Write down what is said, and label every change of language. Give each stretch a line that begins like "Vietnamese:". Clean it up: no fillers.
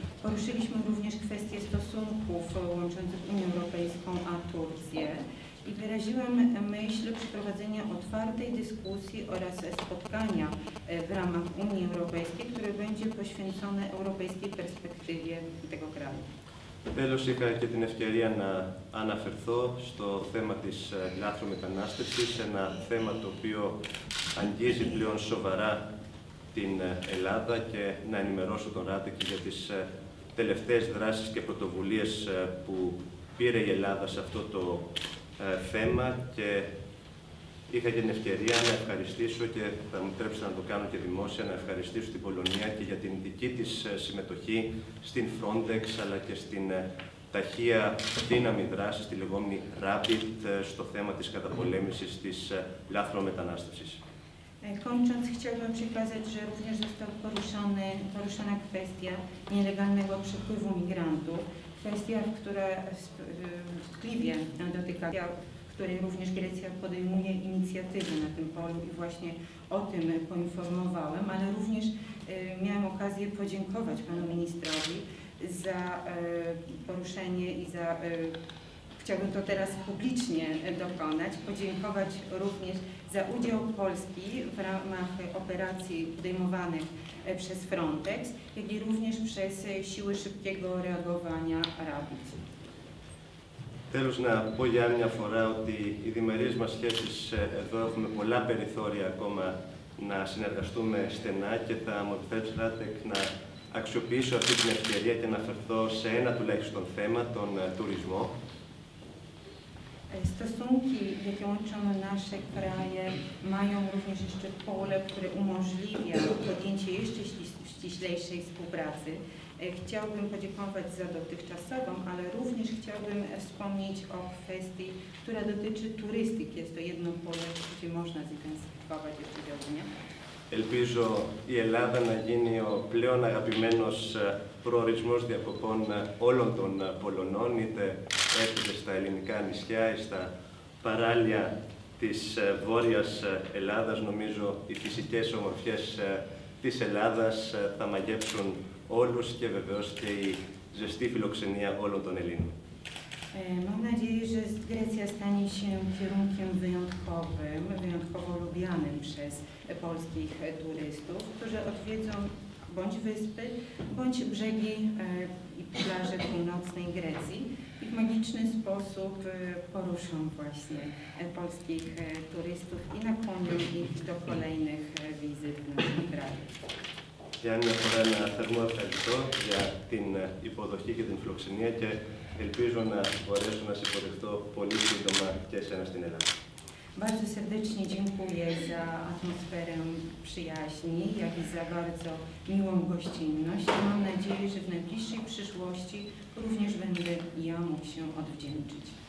Polish: Poruszyliśmy również kwestię stosunków łączących Unię Europejską a Turcję i wyraziłem myśl przeprowadzenia otwartej dyskusji oraz spotkania w ramach Unii Europejskiej, które będzie poświęcone europejskiej perspektywie tego kraju.
Greek: Τέλος, είχα και την ευκαιρία να αναφερθώ στο θέμα της λάθρομετανάστευσης, ένα θέμα το οποίο αγγίζει πλέον σοβαρά την Ελλάδα και να ενημερώσω τον Ράτε και για τις τελευταίες δράσεις και πρωτοβουλίες που πήρε η Ελλάδα σε αυτό το θέμα και είχα και την ευκαιρία να ευχαριστήσω και θα μου επιτρέψετε να το κάνω και δημόσια, να ευχαριστήσω την Πολωνία και για την δική της συμμετοχή στην Frontex αλλά και στην ταχεία δύναμη δράση, τη λεγόμενη Rapid, στο θέμα της καταπολέμησης της λάθρομετανάστευσης.
Polish: Kończąc, chciałbym przekazać, że również została poruszona kwestia nielegalnego przepływu migrantów, kwestia, która wstydliwie dotyka, której również Grecja podejmuje inicjatywy na tym polu i właśnie o tym poinformowałem, ale również miałem okazję podziękować panu ministrowi za poruszenie i za chciałbym to teraz publicznie dokonać, podziękować również za udział Polski w ramach operacji podejmowanych przez Frontex, jak i również przez siły szybkiego reagowania Rapid.
Greek: Τέλος να πω για άλλη μια φορά ότι οι διμερείς μας σχέσεις εδώ έχουμε πολλά περιθώρια ακόμα να συνεργαστούμε στενά και θα μου επιτρέψει, Ράτεκ, να αξιοποιήσω αυτή την ευκαιρία και να αναφερθώ σε ένα τουλάχιστον θέμα, τον τουρισμό.
Polish: Stosunki, jakie łączą nasze kraje, mają również jeszcze pole, które umożliwia podjęcie jeszcze ściślejszej współpracy. Chciałbym podziękować za dotychczasową, ale również chciałbym wspomnieć o kwestii, która dotyczy turystyki. Jest to jedno pole, gdzie można zintensyfikować jeszcze działania.
Greek: Ελπίζω η Ελλάδα να γίνει ο πλέον αγαπημένος προορισμός διακοπών όλων των Πολωνών, είτε έρχονται στα ελληνικά νησιά ή στα παράλια της Βόρειας Ελλάδας. Νομίζω οι φυσικές ομορφιές της Ελλάδας θα μαγέψουν όλους και βεβαίως και η ζεστή φιλοξενία όλων των Ελλήνων.
Polish: Mam nadzieję, że Grecja stanie się kierunkiem wyjątkowym, wyjątkowo lubianym przez polskich turystów, którzy odwiedzą bądź wyspy, bądź brzegi i plaże północnej Grecji i w magiczny sposób poruszą właśnie polskich turystów i nakłonią ich do kolejnych wizyt w naszym kraju.
Greek: Για άλλη μια φορά να θερμό ευχαριστώ για την υποδοχή και την φιλοξενία και ελπίζω να μπορέσω να σε υποδεχτώ πολύ σύντομα και εσένα στην Ελλάδα.
Polish: Bardzo serdecznie dziękuję za atmosferę przyjaźni, jak i za bardzo miłą gościnność. Mam nadzieję, że w najbliższej przyszłości również będę ja mógł się odwdzięczyć.